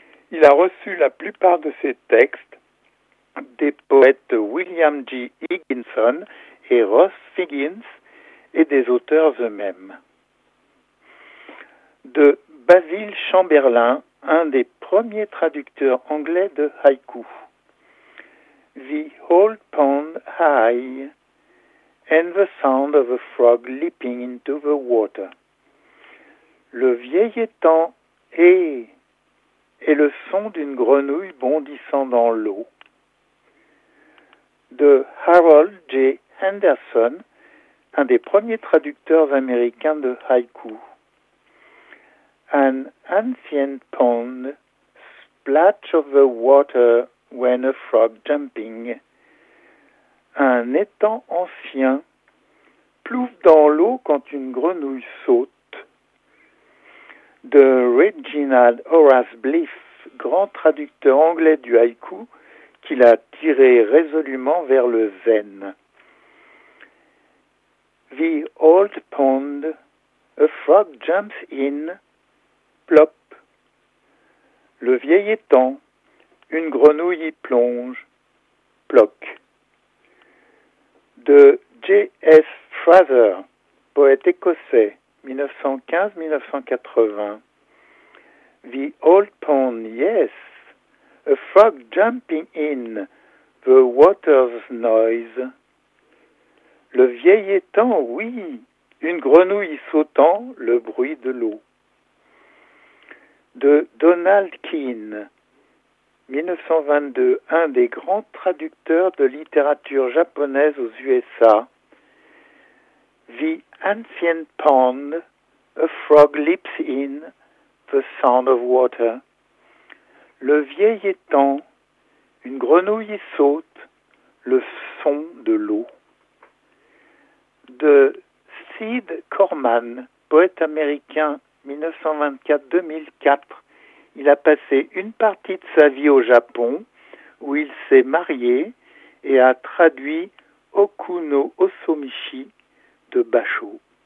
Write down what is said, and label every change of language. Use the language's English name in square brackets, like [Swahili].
[French] Il a reçu la plupart de ses textes des poètes William G. Higginson et Ross Figgins et des auteurs eux-mêmes. De Basil Chamberlain, un des premiers traducteurs anglais de haïku. [English] The old pond high and the sound of a frog leaping into the water. [French] Le vieil étang est le son d'une grenouille bondissant dans l'eau. De Harold J. Henderson, un des premiers traducteurs américains de haïku. [English] An ancient pond, splash of the water when a frog jumping. [French] Un étang ancien, plouffe dans l'eau quand une grenouille saute. De Reginald Horace Bliff, grand traducteur anglais du haïku, qui l'a tiré résolument vers le zen. [English] The old pond, a frog jumps in, plop. [French] Le vieil étang, une grenouille y plonge, ploc. De J.S. Fraser, poète écossais, 1915-1980. [English] The old pond, yes, a frog jumping in, the water's noise. [French] Le vieil étang, oui, une grenouille sautant, le bruit de l'eau. De Donald Keane, 1922, un des grands traducteurs de littérature japonaise aux USA. [English] The ancient pond, a frog leaps in, the sound of water. [French] Le vieil étang, une grenouille saute, le son de l'eau. De Sid Corman, poète américain, 1924-2004, il a passé une partie de sa vie au Japon, où il s'est marié et a traduit Oku no Osomichi de Basho.